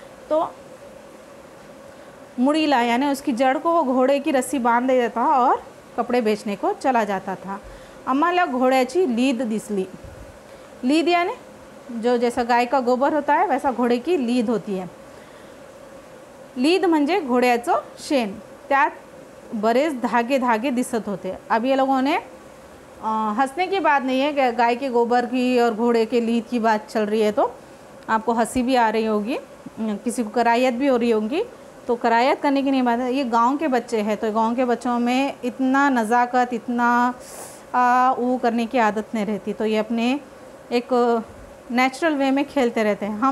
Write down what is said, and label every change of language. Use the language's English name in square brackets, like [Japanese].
[Hindi] तो मुड़ीला यानी उसकी जड़ को वो घोड़े की रस्सी बांध देता था और कपड़े बेचने को चला जाता था। [Marathi] अम्माला घोड़ाची लीद दिसली, [Hindi] लीद यानी जो जैसा गाय का गोबर होता है वैसा घोड़े की लीद होती है। [Marathi] लीद म्हणजे घोड़ाचं शेण, त्यात बरेच धागे धागे दिसत होते। [Hindi] अब ये लोगों ने हंसने की बात नहीं है, गाय के गोबर की और घोड़े के लीद की बात चल रही है तो आपको हंसी भी आ रही होगी, किसी को कराहत भी हो रही होगी, तो कराहत करने की नहीं बात है। ये गांव के बच्चे हैं तो गांव के बच्चों में इतना नज़ाकत, इतना वो करने की आदत नहीं रहती, तो ये अपने एक नेचुरल वे में खेलते रहते हैं।